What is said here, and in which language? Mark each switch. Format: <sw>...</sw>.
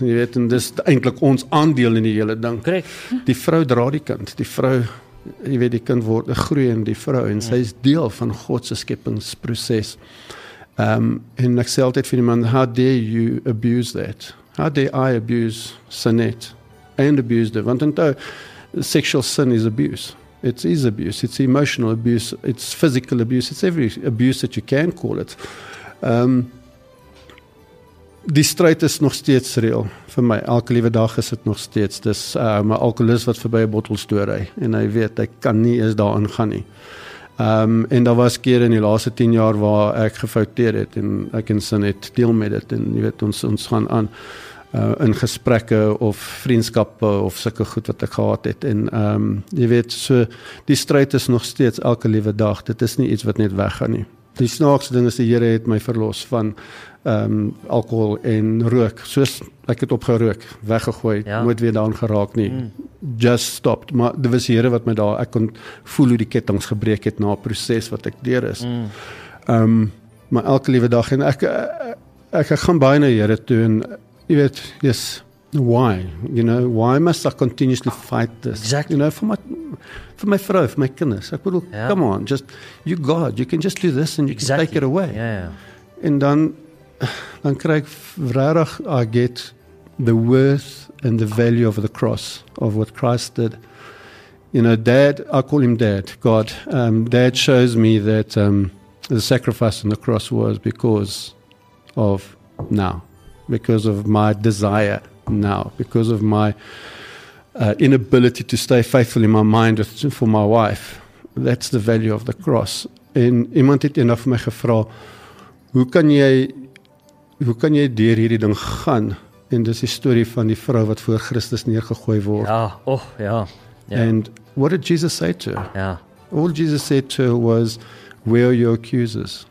<af>Jy weet, en dis eintlik ons aandeel in die hele ding.</af> <en>Correct.</en> <af>Die vrou dra die kind, die vrou, jy weet, die kind word groei in die vrou en sy is deel van God se skepingsproses. En ek sê altyd vir die man,</af> <en>how dare you abuse that? How dare I abuse Sanet and abuse the want to sexual sin is abuse. It is abuse, it's emotional abuse, it's physical abuse, it's every abuse that you can call it.</en> <af>Die stryd is nog steeds reëel vir my, elke liewe dag is dit nog steeds, dis my alkoholist wat verby 'n bottel stoorry en hy weet hy kan nie eens daar ingaan nie. En daar was keer in die laaste 10 jaar waar ek gefouteer het en ek en sin het deel met dit en jy weet ons gaan aan in gesprekke of vriendskappe of sulke goed wat ek gehad het en jy weet so, die stryd is nog steeds elke liewe dag, dit is nie iets wat net weggaan nie. Die snaakste ding is die Here het my verlos van alkohol en rook. Soos ek het opgerook, weggegooi, nooit weer daaraan geraak nie.</af> <en>Just stopped.</en> <af>Maar dit was die Here wat my daar, ek kon voel hoe die kettings gebreek het na 'n proses wat ek deur is. Maar elke liewe dag, en ek gaan baie na die Here toe en jy weet,</af> <en>yes, why? You know, why must I continuously fight this? Exactly. You know, for my</en> <af>vrou,</af> <en>for my</en> <af>kinders. Ek bedoel,</af> <en>come on, just you God, you can just do this and you can take it away. Yeah.</en> <af>En dan kry ek regtig,</af> <en>I get the worth and the value of the cross of what Christ did. You know, Dad, I call him Dad, God. Dad shows me that the sacrifice on the cross was because of now, because of my desire. Now, because of my inability to stay faithful in my mind for my wife, that's the value of the cross.</en> <af>En iemand het eendag vir my gevra, hoe kan jy deur hierdie ding gaan? En dis die storie van die vrou wat voor Christus neergegooi word.</af> <en>And what did Jesus say to her? Yeah. All Jesus said to her was, where are your accusers?</en>